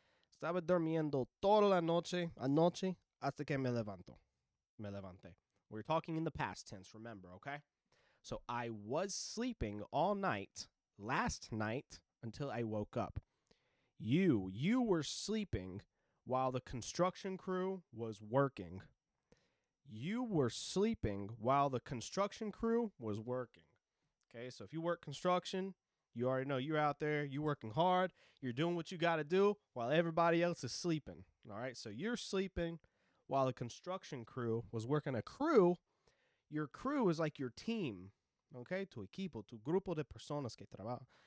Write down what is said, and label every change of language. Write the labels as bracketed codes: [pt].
[es] Estaba durmiendo toda la noche, anoche, hasta que me levanté. [en] We're talking in the past tense, remember, okay? So I was sleeping all night last night until I woke up. You were sleeping while the construction crew was working. You were sleeping while the construction crew was working. Okay, so if you work construction, you already know you're out there. You're working hard. You're doing what you got to do while everybody else is sleeping. All right, so you're sleeping while the construction crew was working. A crew, your crew is like your team. [es] Okay, tu equipo, tu grupo de personas que trabajan.